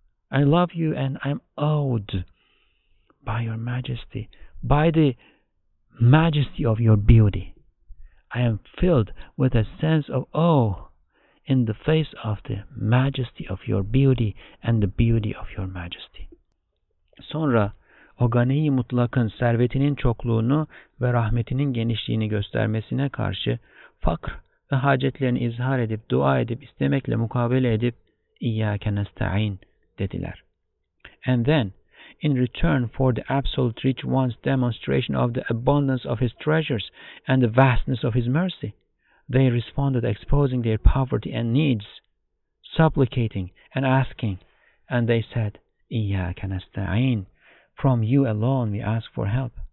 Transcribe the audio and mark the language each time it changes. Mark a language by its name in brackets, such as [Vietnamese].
[English] I love you, and I'm awed by your majesty, by the majesty of your beauty. I am filled with a sense of awe in the face of the majesty of your beauty and the beauty of your majesty. [Turkish] Sonra o gani-i mutlakın servetinin çokluğunu ve rahmetinin genişliğini göstermesine karşı fakr ve hacetlerini izhar edip, dua edip, istemekle mukabele edip, [Arabic] İyyâke nesta'in [Turkish] dediler. [English] And then, in return for the absolute rich one's demonstration of the abundance of his treasures and the vastness of his mercy, they responded exposing their poverty and needs, supplicating and asking, and they said, [Arabic] إِيَّاكَ نَسْتَعِينَ, [English] from you alone we ask for help.